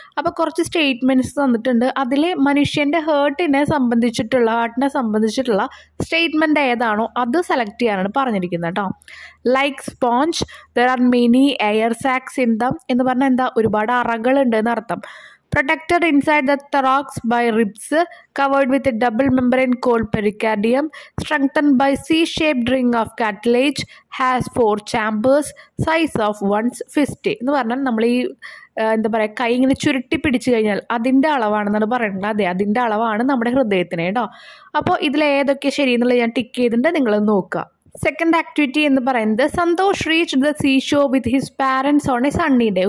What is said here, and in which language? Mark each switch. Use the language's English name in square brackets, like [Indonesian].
[Malayalam] അപ്പോൾ കുറച്ച് സ്റ്റേറ്റ്മെൻറ്റ്സ് തന്നിട്ടുണ്ട്, അതിലെ മനുഷ്യൻ്റെ ഹേർട്ടിനെ സംബന്ധിച്ചിട്ടുള്ള, ഹാർട്ടിനെ സംബന്ധിച്ചിട്ടുള്ള സ്റ്റേറ്റ്മെൻ്റ് ഏതാണോ അത് സെലക്ട് ചെയ്യാനാണ് പറഞ്ഞിരിക്കുന്നത് കേട്ടോ. [English] like sponge there are many air sacs in them [Malayalam] എന്ന് പറഞ്ഞാൽ എന്താ, ഒരുപാട് അറകളുണ്ട് എന്നർത്ഥം. [English] Protected inside the thorax by ribs, covered with a double membrane called pericardium, strengthened by C-shaped ring of cartilage, has 4 chambers, size of one's fist. [Malayalam] എന്ന് പറഞ്ഞാൽ നമ്മൾ ഈ എന്താ പറയുക, കൈ ഇങ്ങനെ ചുരുട്ടി പിടിച്ചു കഴിഞ്ഞാൽ അതിൻ്റെ അളവാണെന്നാണ് പറയുന്നത്. അതെ, അതിൻ്റെ അളവാണ് നമ്മുടെ ഹൃദയത്തിന് കേട്ടോ. അപ്പോൾ ഇതിലേതൊക്കെ ശരിയെന്നുള്ളത് ഞാൻ ടിക്ക് ചെയ്തിട്ടുണ്ട്, നിങ്ങളൊന്ന് നോക്കുക. [English] second activity [Malayalam] എന്ന് പറയുന്നത്, [English] Santosh reach the sea shore with his parents on a sunny day.